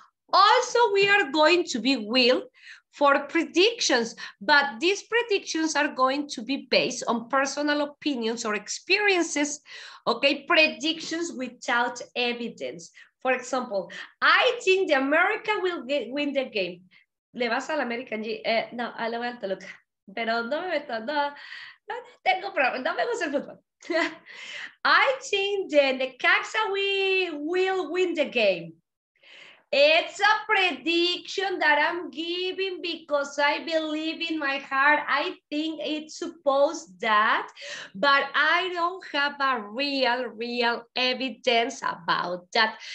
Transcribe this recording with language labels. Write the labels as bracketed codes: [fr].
[en] Also, we are going to be will for predictions, but these predictions are going to be based on personal opinions or experiences, okay? Predictions without evidence. For example, I think the America will win the game. [es] ¿Le vas a la América? No, a la vuelta, look. Pero no me meto, no. No tengo problema, no me gusta el fútbol. [en] I think the Necaxa will win the game. It's a prediction that I'm giving because I believe in my heart. I think it's supposed that, but I don't have a real evidence about that.